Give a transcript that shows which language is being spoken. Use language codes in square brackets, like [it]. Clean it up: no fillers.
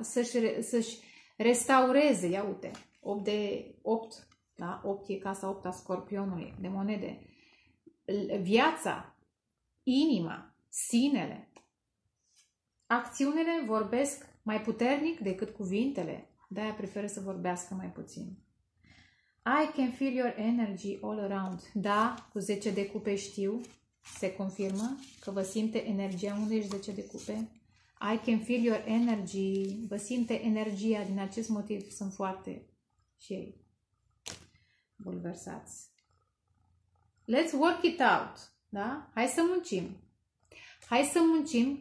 [ro] Să-și restaureze, ia uite, 8 de 8, da? 8 e casa 8 a scorpionului, de monede. Viața, inima, sinele. Acțiunile vorbesc mai puternic decât cuvintele, de-aia preferă să vorbească mai puțin. [en] I can feel your energy all around. [ro] Da, cu 10 de cupe știu. Se confirmă că vă simte energia. Unde ești 10 de cupe? [en] I can feel your energy. [ro] Vă simte energia. Din acest motiv sunt foarte și ei bulversați. [en] Let's work it out. [ro] Da? Hai să muncim. Hai să muncim.